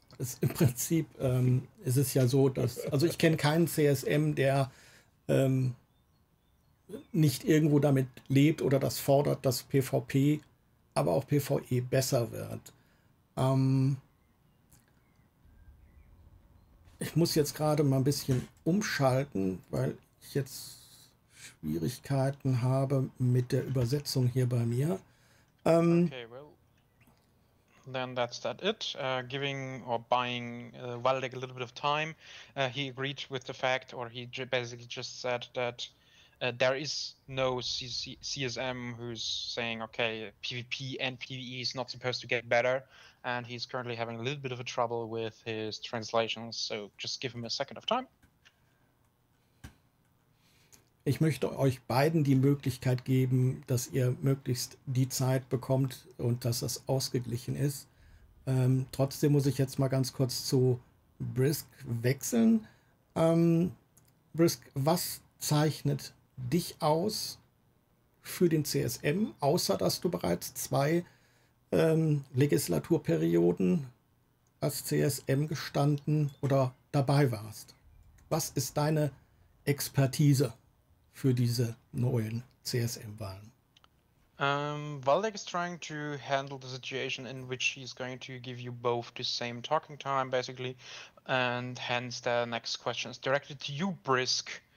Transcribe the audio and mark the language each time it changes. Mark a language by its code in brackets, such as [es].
[de] Es, im Prinzip ist es ja so, dass, also ich kenne keinen CSM, der nicht irgendwo damit lebt oder das fordert, dass PvP, aber auch PvE besser wird. Ich muss jetzt gerade mal ein bisschen umschalten, weil ich jetzt Schwierigkeiten habe mit der Übersetzung hier bei mir. [en] Okay, well, then that's that it. Giving or buying Waldeck a little bit of time, he agreed with the fact, or he basically just said that there is no CSM who's saying, okay, PvP and PvE is not supposed to get better. And he's currently having a little bit of a trouble with his translations, so just give him a second of time. [de] Ich möchte euch beiden die Möglichkeit geben, dass ihr möglichst die Zeit bekommt und dass das ausgeglichen ist. Trotzdem muss ich jetzt mal ganz kurz zu Brisk wechseln. Brisk, was zeichnet dich aus für den CSM, außer dass du bereits zwei Legislaturperioden als CSM gestanden oder dabei warst. Was ist deine Expertise für diese neuen CSM-Wahlen? [en] Waldeck is trying to handle the situation in which he's going to give you both the same talking time, basically, and hence the next question is directed to you, Brisk.